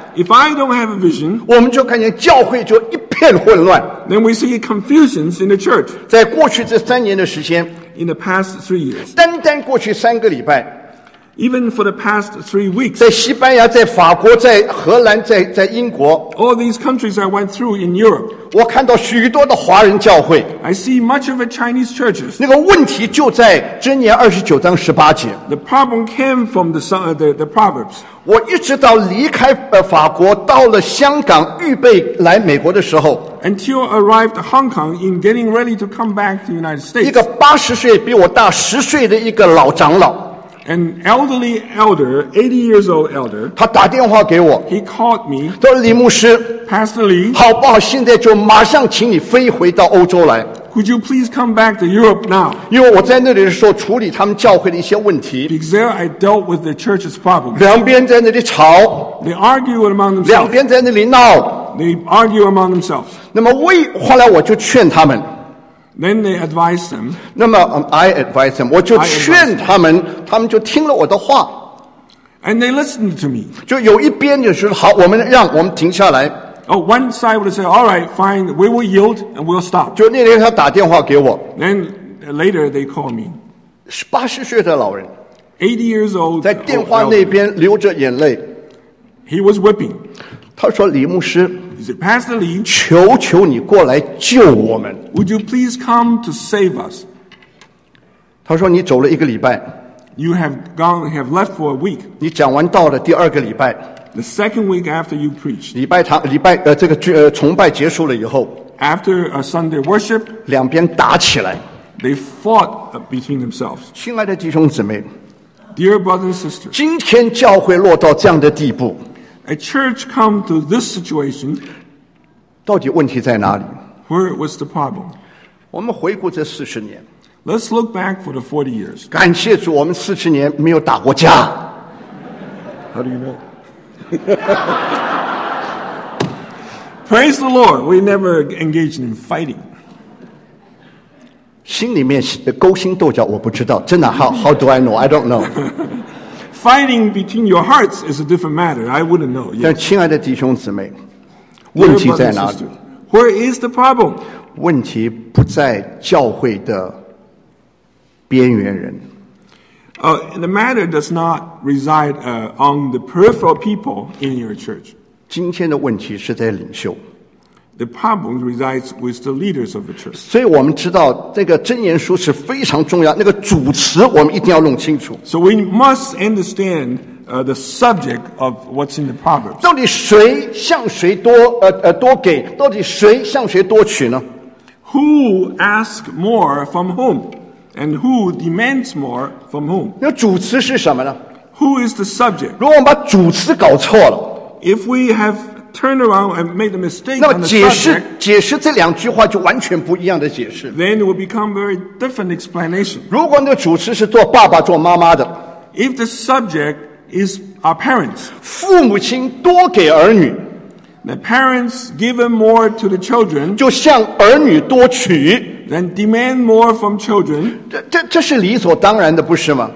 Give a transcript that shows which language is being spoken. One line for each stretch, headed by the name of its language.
English: If I don't have a vision,
Chinese: 我们就看见教会就一片混乱
English: Then we see confusions in the church.
Chinese: 在过去这三年的时间
English: In the past 3 years,
Chinese: 单单过去三个礼拜
English: Even for the past 3 weeks,
Chinese: 在西班牙，在法国，在荷兰，在英国
English: ，all these countries I went through in Europe,
Chinese: 我看到许多的华人教会
English: ，I see much of the Chinese churches.
Chinese: 那个问题就在箴言二十九章十八节。
English: The problem came from the Proverbs.
Chinese: 我一直到离开法国，到了香港，预备来美国的时候
English: ，until arrived Hong Kong in getting ready to come back to the United States.
Chinese: 一个80岁比我大10岁的一个老长老。
English: An elderly elder, 80 years old elder,
Chinese: 他打电话给我
English: he called me,
Chinese: 说李牧师
English: Pastor Lee,
Chinese: 好不好现在就马上请你飞回到欧洲来
English: Could you please come back to Europe now?
Chinese: 因为我在那里的时候处理他们教会的一些问题
English: Because there I dealt with the church's problems.
Chinese: 两边在那里吵
English: They argued among themselves.
Chinese: 两边在那里闹
English: They argued among themselves.
Chinese: 那么后来我就劝他们
English: Then they advise them.
Chinese: 那么、
English: I advise them.
Chinese: 我就劝他们，他们就听了我的话。
English: And they listened to me.
Chinese: 就有一边就说好，我们停下来。
English: Oh, one side would say, "All right, fine, we will yield and we'll stop."
Chinese: 就那天他打电话给我。
English: Then later they call me.
Chinese: 80岁的老人。
English: 80 years old.
Chinese: 在电话那边流着眼泪。
English: He was weeping.
Chinese: 他说李牧师。
English: He said, Pastor Lee,
Chinese: 求求你过来救我们。
English: Would you please come to save us?
Chinese: 他说你走了一个礼拜。
English: You have left for a week.
Chinese: 你讲完道的第二个礼拜。
English: The second week after you preached.
Chinese: 崇拜结束了以后。
English: After a Sunday worship.
Chinese: 两边打起来。
English: They fought between themselves.
Chinese: 亲爱的弟兄姊妹。
English: Dear brothers and sisters.
Chinese: 今天教会落到这样的地步。
English: A church come to this situation,
Chinese: 到底问题在哪里?
English: Where was the problem?
Chinese: 我们回顾这四十年。
English: Let's look back for the 40 years.
Chinese: 感谢主，我们四十年没有打过架。
English: How do you know? Praise the Lord, we never engaged in fighting.
Chinese: 心里面勾心斗角，我不知道。真的
English: ，How do I know? I don't know. Fighting between your hearts is a different matter. I wouldn't know.、Yes.
Chinese: 但亲爱的弟兄姊妹，问题在哪里
English: ？Where is the problem?
Chinese: 问题不在教会的边缘人。
English: The matter does not reside on the peripheral people in your church.
Chinese: 今天的问题是在领袖。
English: The problem resides with the leaders of the church.
Chinese: 所以我们知道这个箴言书是非常重要，那个主词我们一定要弄清楚。
English: So we must understand the subject of what's in the Proverbs.
Chinese: 到底谁向谁多多给？到底谁向谁多取呢
English: ？Who asks more from whom? And who demands more from whom?
Chinese: 那主词是什么呢
English: ？Who is the subject?
Chinese: 如果我们把主词搞错了
English: ，If we haveturn around and made a mistake
Chinese: 那么解释这两句话就完全不一样的解释
English: then it will become a very different explanation
Chinese: 如果那个主持是做爸爸做妈妈的
English: if the subject is our parents
Chinese: 父母亲多给儿女
English: the parents given more to the children
Chinese: 就向儿女多取
English: then demand more from children
Chinese: 这是理所当然的不是吗